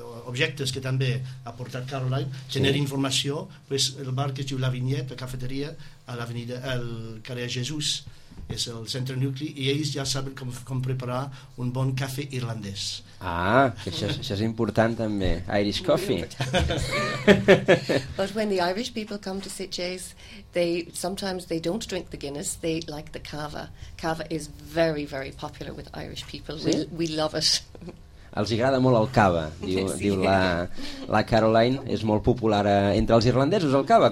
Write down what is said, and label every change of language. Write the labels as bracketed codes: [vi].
[ca] objectes que també ha portat Caroline, tenir informació, pues el bar que es diu la vinyet, la cafeteria, a l'avenida, al carrer Jesús, és el centre nucli, i ells ja saben com preparar un bon cafè irlandès. Ah, que això és important també. [en] Irish coffee. But when the Irish people come to Sitges, they sometimes don't drink the Guinness, they like the cava. Cava is very, very popular with Irish people. [ca] Sí? [en] We love it. [ca] Els agrada molt el cava, diu la Caroline, és molt popular entre els irlandesos, el cava.